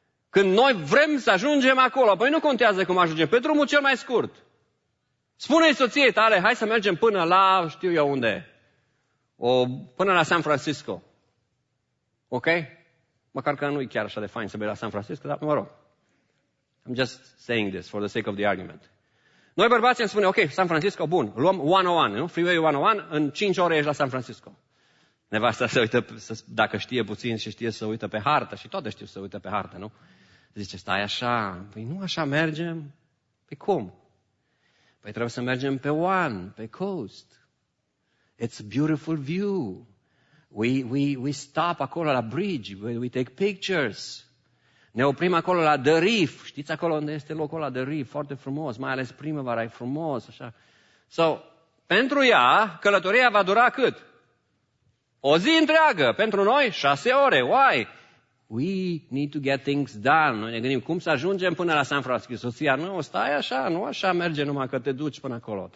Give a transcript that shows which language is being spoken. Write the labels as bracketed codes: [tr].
[ro] Când noi vrem să ajungem acolo, păi nu contează cum ajungem, pe drumul cel mai scurt. Spune-i soției tale, hai să mergem până la, știu eu unde, până la San Francisco. Ok? Măcar că nu e chiar așa de fain să bei la San Francisco, dar mă rog. [en] I'm just saying this for the sake of the argument. [ro] Noi bărbații îmi spune, ok, San Francisco, bun, luăm 101, nu? Freeway 101, în 5 ore ești la San Francisco. Nevasta se uită, dacă știe puțin și știe să uită pe hartă, și toate știu să uită pe hartă, nu? Zice, stai așa, păi nu așa mergem, păi cum? Păi trebuie să mergem pe One, pe Coast. [en] It's a beautiful view. We stop [ro] acolo la [en] bridge, we take pictures. [ro] Ne oprim acolo la The Reef. Știți acolo unde este locul ăla, The Reef? Foarte frumos, mai ales primăvara, e frumos, așa. So, pentru ea, călătoria va dura cât? O zi întreagă. Pentru noi, 6 ore. Why? [en] We need to get things done. [ro] Noi ne gândim, cum să ajungem până la San Francisco? Soția, nu, stai așa, nu așa merge numai că te duci până acolo.